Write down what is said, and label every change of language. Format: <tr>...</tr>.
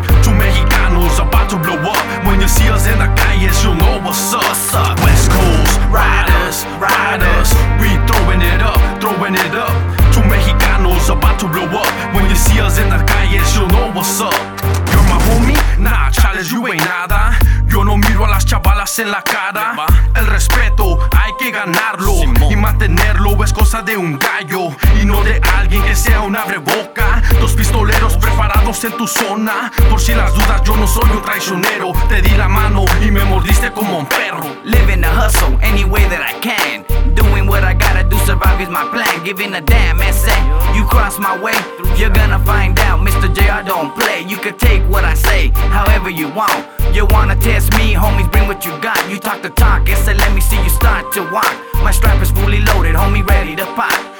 <en>Two Mexicanos about to blow up. When you see us in the calles, you'll know what's up, what's up. West Coast Riders, Riders. We throwing it up, throwing it up. Two Mexicanos about to blow up. When you see us in the calles, you'll know what's up. Nah, Chales, you ain't nada.</en> <es>Yo no miro a las chavalas en la cara. El respeto, hay que ganarlo. Y mantenerlo es cosa de un gallo. Y no de alguien que sea un abre boca. Dos pistoleros preparados en tu zona. Por si las dudas, yo no soy un traicionero. Te di la mano y me mordiste como un perro.</es> <en>Living a hustle, any way that I can. Doing what I gotta do, survive is my plan. Giving a damn, ese. You cross my way, you're gonna find out. Mr. JR don't play. You can take what I say, however you want. You wanna test me, homies, bring what you got. You talk the talk, ese, let me see you start to walk. My strap is fully loaded, homie, ready to pop.</en>